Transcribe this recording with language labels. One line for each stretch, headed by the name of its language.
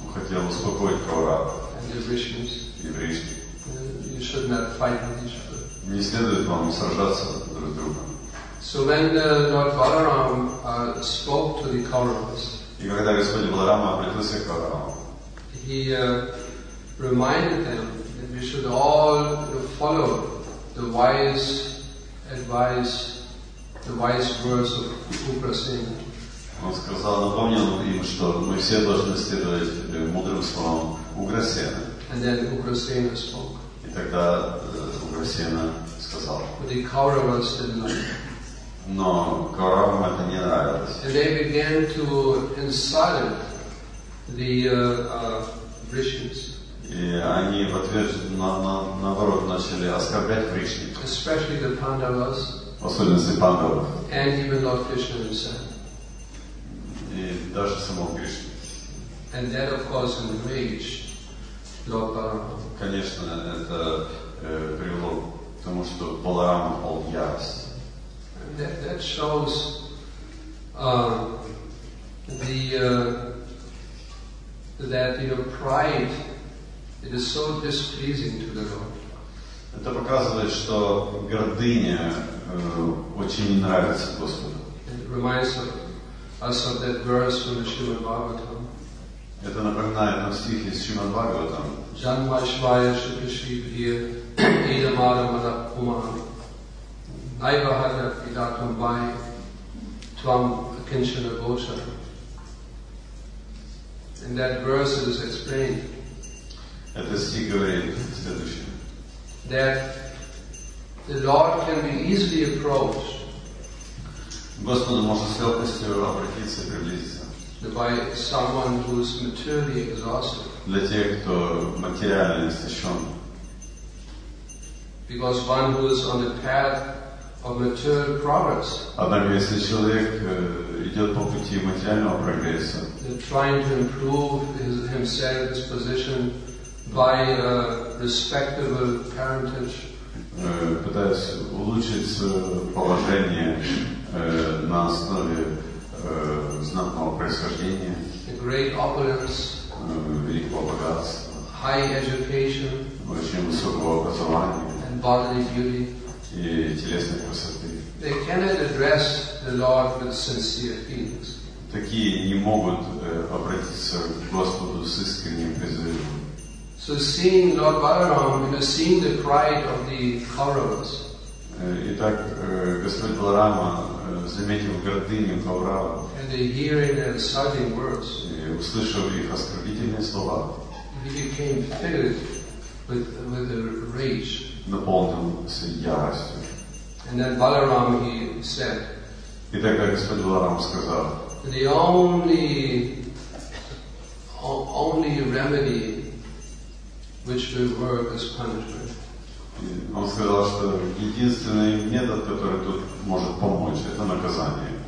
Russian: Он хотел успокоить Кауравов.
English: And the Vrishnis.
Russian: И Vrishni.
English: You should not fight with each other.
Russian: Не следует вам сражаться друг с другом.
English: So when Lord Balaram spoke to the Kauravas,
Russian: и когда Господь Баларама обратился к Кауравам,
English: he reminded them that we should all follow the wise advice, the wise words of Ugrasena.
Russian: Он сказал, напомнил им, что мы все должны следовать мудрым словам Ugrasena.
English: And then Ugrasena spoke.
Russian: И тогда Ugrasena сказал.
English: But the Kauravas didn't like it.
Russian: Но Кауравам это не нравилось.
English: And they began to insult the Vrishnis.
Russian: И они в ответ наоборот начали оскорблять Кришну.
English: Especially the Pandavas.
Russian: Особенно Пандавы.
English: And even Lord Krishna himself.
Russian: И даже самого Кришну.
English: And that of course enraged Lord Balarama.
Russian: Конечно, это привело к тому, что Баларама пал в ярость.
English: And that shows that your pride, it is so displeasing to the Lord.
Russian: Это показывает, что гордыня очень не нравится Господу.
English: It reminds us of that verse from the Shrimad Bhagavatam.
Russian: Это напоминает нам стих из Шримад Бхагаватам.
Sanskrit: Janma shvaya shukashvibhya idamara madakumam naivahadya pidatum vai tvam akinshana gosha.
English: In that verse it is explained.
Russian: Это стих говорит следующее.
English: That the Lord can be easily approached.
Russian: Господу можно с легкостью обратиться и приблизиться.
English: By someone who is materially exhausted.
Russian: Для тех, кто материально истощен.
English: Because one who is on the path of material progress.
Russian: Однако если человек идет по пути материального прогресса.
English: They're trying to improve himself, his position. By a respectable parentage.
Russian: Пытаясь улучшить положение на основе знатного происхождения.
English: A great opulence.
Russian: Великого богатства.
English: High education.
Russian: Очень высокого образования.
English: And bodily beauty.
Russian: И телесной красоты.
English: They cannot address the Lord with sincere feelings.
Russian: Такие не могут обратиться к Господу с искренним призывом.
English: So seeing Lord Balaram, you know, seeing the pride of the Kauravas.
Russian: Итак, Господь Баларама заметил гордыню Каурава.
English: And the hearing and insulting words.
Russian: Услышав их оскорбительные слова.
English: He became filled with a rage.
Russian: Наполнился яростью.
English: And then Balaram, he said.
Russian: И тогда Господь Баларам сказал.
English: The only remedy which will work as punishment.
Russian: Он сказал, что единственный метод, который тут может помочь, это наказание.